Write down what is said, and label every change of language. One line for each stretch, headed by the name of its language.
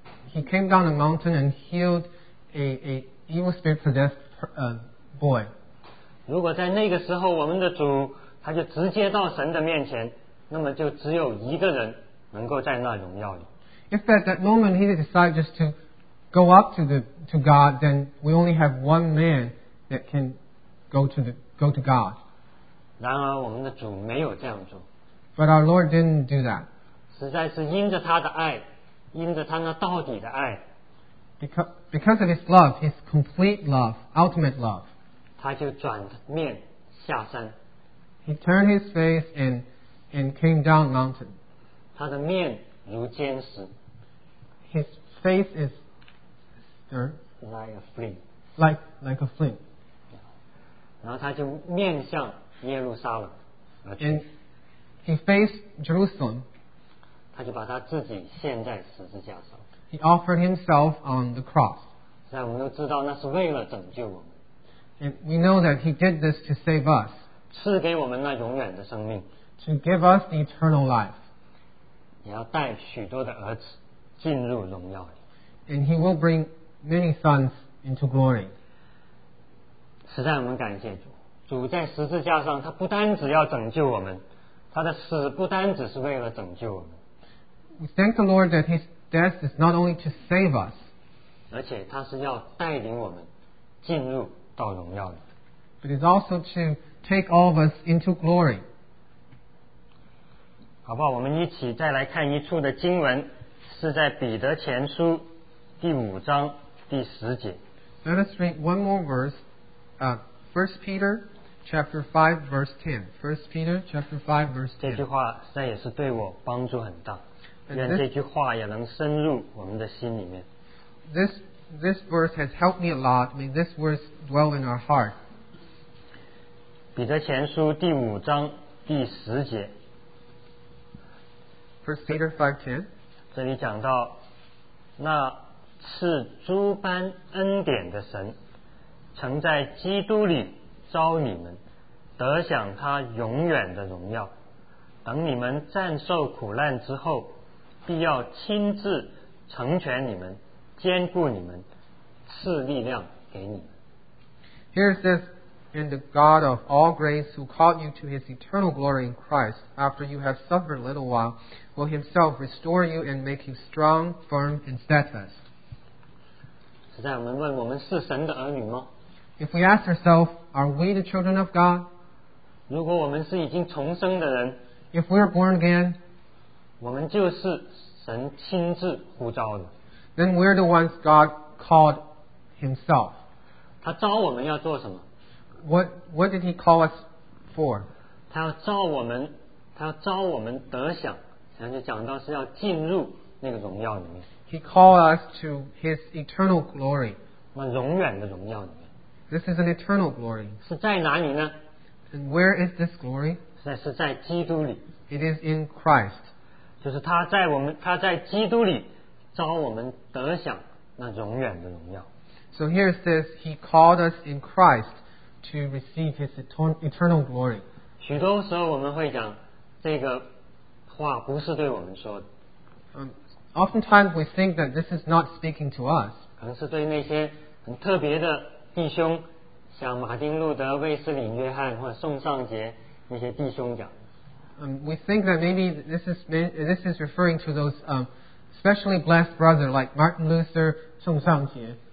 English: He came down the mountain and healed a evil spirit possessed boy.
Chinese: 如果在那个时候我们的主他就直接到神的面前那么就只有一个人能够在那荣耀里。
English: If at that moment he decided just to go up to God, then we only have one man that can go to God.
Chinese: 然而我们的主没有这样做。
English: But our Lord didn't do that.
Chinese: 实在是因着他的爱因着他那到底的爱
English: because of his love, his complete love, ultimate love,
Chinese: 他就转面下山。
English: He turned his face and came down mountain.
Chinese: 他的面如坚石。
English: His face is stern. Like a flint.
Chinese: 然后他就面向耶路撒冷。
English: And he faced Jerusalem.
Chinese: 他就把他自己献在十字架上。
English: He offered himself on the cross.
Chinese: 现在我们都知道那是为了拯救我们。
English: And we know that he did this to save us.
Chinese: 赐给我们那永远的生命。
English: To give us the eternal life.
Chinese: 也要带许多的儿子进入荣耀里。
English: And he will bring many sons into glory.
Chinese: 实在我们感谢主。主在十字架上他不单只要拯救我们他的死不单只是为了拯救我们。
English: We thank the Lord that his death is not only to save us.
Chinese: 而且他是要带领我们进入到荣耀里。
English: But it's also to take all of us into glory.
Chinese: 好不好我们一起再来看一处的经文是在彼得前书第五章第十节。
English: Let us read one more verse, 1 Peter chapter 5 verse 10. 1 Peter chapter 5 verse 10.
Chinese: 这句话实在也是对我帮助很大。愿这句话也能深入我们的心里面。
English: This verse has helped me a lot. May this verse dwell in our heart.
Chinese: 彼得前书第五章第十节。
English: First Peter 5:10.
Chinese: 这里讲到那赐诸般恩典的神曾在基督里召你们得享他永远的荣耀等你们战受苦难之后必要亲自成全你们坚固你们赐力量给你们。
English: Here it says, And the God of all grace who called you to his eternal glory in Christ after you have suffered a little while will himself restore you and make you strong, firm, and steadfast.
Chinese: 实在我们问我们是神的儿女吗?
English: If we ask ourselves, are we the children of God?
Chinese: 如果我们是已经重生的人，
English: if we are born again,
Chinese: 我们就是神亲自呼召的，
English: then we are the ones God called himself.
Chinese: 他召我们要做什么？
English: What did he call us for?
Chinese: 他要召我们，他要召我们得享，然后讲到是要进入那个荣耀里面。
English: He called us to his eternal glory.
Chinese: 那永远的荣耀里面。
English: This is an eternal glory.
Chinese: 是在哪里呢？
English: And where is this glory?
Chinese: 是在基督里。
English: It is in Christ.
Chinese: 就是他在我们，他在基督里召我们得享那永远的荣耀。
English: So here it says, He called us in Christ to receive His eternal glory.
Chinese: 许多时候我们会讲这个话不是对我们说的。
English: Oftentimes we think that this is not speaking to us.
Chinese: 可能是对那些很特别的弟兄，像马丁路德、卫斯理、约翰或宋尚杰那些弟兄讲。
English: We think that maybe this is referring to those specially blessed brothers like Martin Luther, 宋尚杰。